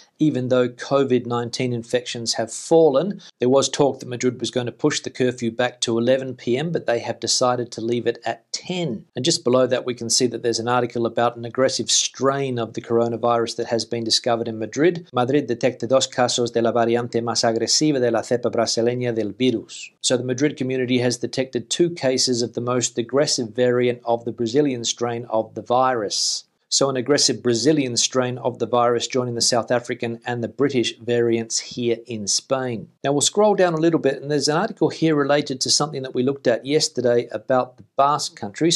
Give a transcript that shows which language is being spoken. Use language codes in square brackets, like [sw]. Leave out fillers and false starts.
[en] Even though COVID-19 infections have fallen, there was talk that Madrid was going to push the curfew back to 11 p.m, but they have decided to leave it at 10. And just below that, we can see that there's an article about an aggressive strain of the coronavirus that has been discovered in Madrid. [es] Madrid detecta dos casos de la variante más agresiva de la cepa brasileña del virus. [en] So the Madrid community has detected two cases of the most aggressive variant of the Brazilian strain of the virus. So an aggressive Brazilian strain of the virus joining the South African and the British variants here in Spain. Now we'll scroll down a little bit and there's an article here related to something that we looked at yesterday about the Basque country.